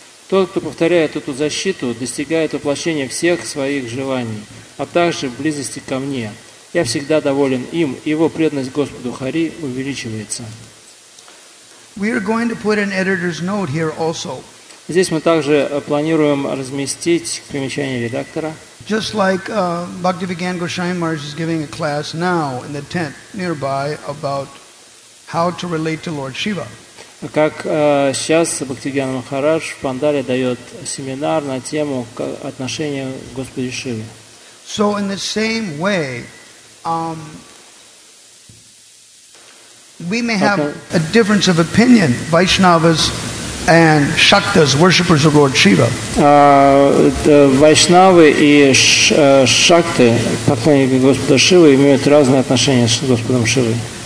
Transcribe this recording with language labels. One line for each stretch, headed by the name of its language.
Russian: Тот, кто повторяет эту защиту, достигает воплощения всех своих желаний, а также близости ко мне. Я всегда доволен им, и его преданность Господу Хари увеличивается.
English: We are going to put an editor's note here also.
Russian: Здесь мы также планируем разместить примечание редактора.
English: Just like Bhaktivedanta Goswami Maharaj is giving a class now in the tent nearby about how to relate to Lord Shiva.
Russian: Как сейчас Бхактивиданта Махарадж в Пандале дает семинар на тему отношения к Господу Шиве.
English: So in the same way, we may have a difference of opinion, Vaishnavas and Shaktas, worshippers of Lord Shiva.
Russian: Вайшнавы и Шакты, поклонники Господа Шивы, имеют разные отношения с Господом Шивой.